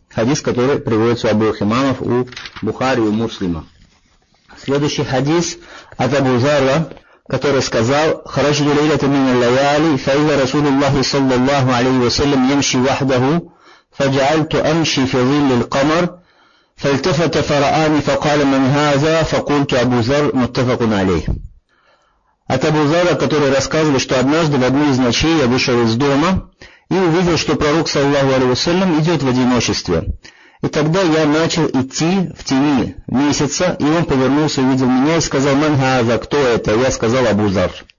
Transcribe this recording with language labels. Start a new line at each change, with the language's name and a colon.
Russian: Хадис, который приводится у обоих имамов, у Бухари и у Муслима. Следующий хадис от Абу Зарра, который сказал,
Arabic: «Хараджу лилейлата мин ал-лаяли, фаиза Расулуллахи саллаллаху алейхи вассалям ямши вахдаху, фаджаальту амши фи зилли ал-камар». فالتفت فرآني فقال من هذا فقلت أبو ذر متفق عليه.
Russian: От Абу Зарра, который рассказывал, что однажды в одну из ночей я вышел из дома и увидел, что пророк, саллаху алейхи вассалям, идет в одиночестве. И тогда я начал идти в тени месяца, и он повернулся, увидел меня и сказал,
Arabic: «Ман хаза,
Russian: кто это?» Я сказал, «Абу Зар».